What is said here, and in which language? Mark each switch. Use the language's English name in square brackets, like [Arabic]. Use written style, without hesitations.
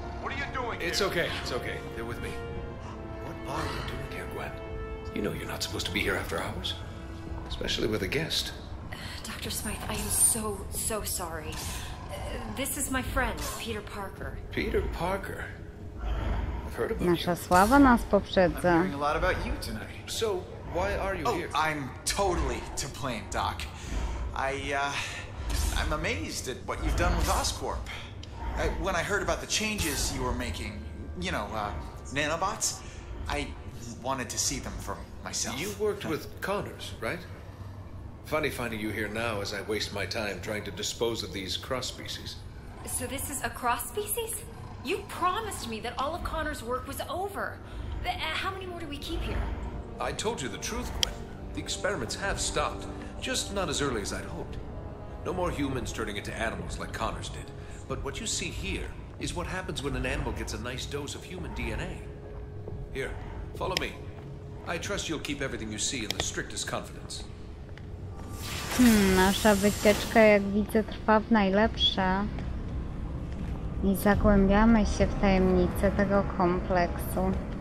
[English] What are you doing here? It's okay. It's okay. They're with me. What are you doing here, Gwen? You know you're not supposed to be here after hours. Especially with a guest. Dr. Smythe, I am so, so sorry. This is my friend, Peter Parker. Peter Parker? [Polish] Nasza sława nas poprzedza. [English] So, why are you here? Oh, I'm totally to blame, Doc. I'm amazed at what you've done with Oscorp. When I heard about the changes you were making, you know, nanobots, I wanted to see them for myself. You worked with Connors, right? Funny finding you here now as I waste my time trying to dispose of these cross species. So this is a cross species? You promised me that all of Connor's work was over. How many more do we keep here? I told you the truth, Gwen. The experiments have stopped, just not as early as I'd hoped. No more humans turning into animals like Connor's did. But what you see here is what happens when an animal gets a nice dose of human DNA. Here, follow me. I trust you'll keep everything you see in the strictest confidence. [Polish] Nasza wycieczka, jak widzę, trwa w najlepsze. I zagłębiamy się w tajemnice tego kompleksu.